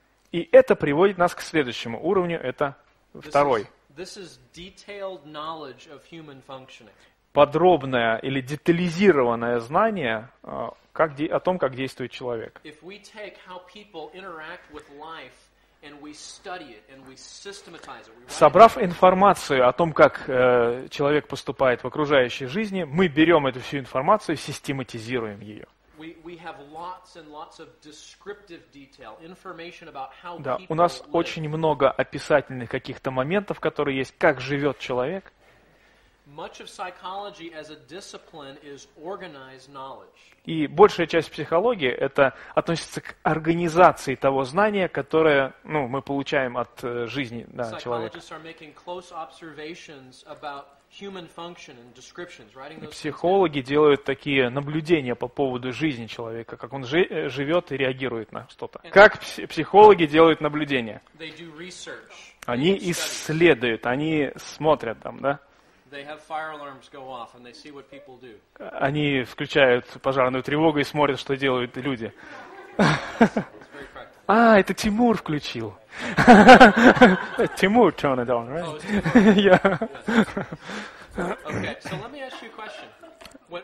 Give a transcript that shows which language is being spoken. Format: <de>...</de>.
<ru>И это приводит нас к следующему уровню, это второй.</ru> <en>This is detailed knowledge of human functioning.</en> <ru>Подробное или детализированное знание о том, как действует человек.</ru> <en>If we take how people interact with life and we study it and we systematize it, we write.</en> <ru>Собрав информацию о том, как человек поступает в окружающей жизни, мы берем эту всю информацию и систематизируем ее.</ru> <en>We have lots and lots of descriptive detail, information about how people live.</en> <ru>Да, у нас очень много описательных каких-то моментов, которые есть, как живет человек.</ru> <en>Much of psychology as a discipline is organized knowledge.</en> <ru>И большая часть психологии это относится к организации того знания, которое, ну, мы получаем от жизни, да, человека.</ru> <en>Psychologists are making close observations about human function and descriptions, writing those.</en> <ru>Психологи делают такие наблюдения по поводу жизни человека, как он живет и реагирует на что-то. Как психологи делают наблюдения?</ru> <en>They do research.</en> <ru>Они исследуют, они смотрят там, да?</ru> <en>They have fire alarms go off and they see what people do.</en> <ru>Они включают пожарную тревогу и смотрят, что делают люди. А, это Тимур включил. Тимур,</ru> <en>turn it on, right?</en>